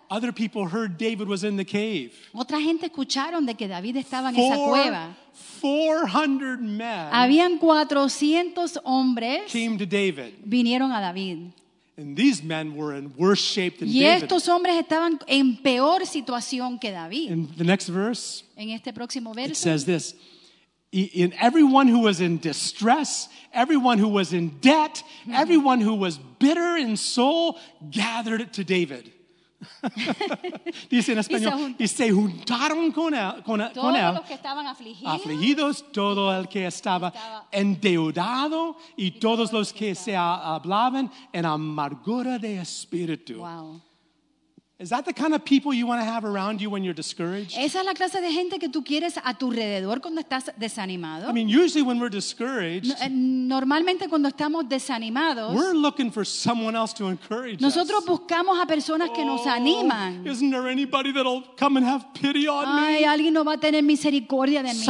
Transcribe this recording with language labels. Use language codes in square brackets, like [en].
[en] Other people heard David was in the cave. [es] Otra gente escucharon de que David estaba en esa cueva. [en] 400 men. [es] Habían 400 hombres. [en] Came to David. [es] Vinieron a David. [en] And these men were in worse shape than [es] David. Y estos hombres estaban en peor situación que David. [en] In the next verse. [es] En este próximo verso. [en] It says this. In everyone who was in distress, everyone who was in debt, everyone who was bitter in soul, gathered to David. [es] Dice en español, y se juntaron con él. Todos los que estaban afligidos. Afligidos, todo el que estaba endeudado, y todos los que se hablaban en amargura de espíritu. [en] Wow. Is that the kind of people you want to have around you when you're discouraged? [es] Esa es la clase de gente que tú quieres a tu alrededor cuando estás desanimado. [en] I mean, usually when we're discouraged, [es] normalmente cuando estamos desanimados, [en] we're looking for someone else to encourage [es] nosotros Nosotros buscamos a personas que nos animan. [en] Isn't there anybody that'll come and have pity on me? [es] Ay, alguien no va a tener misericordia de mí.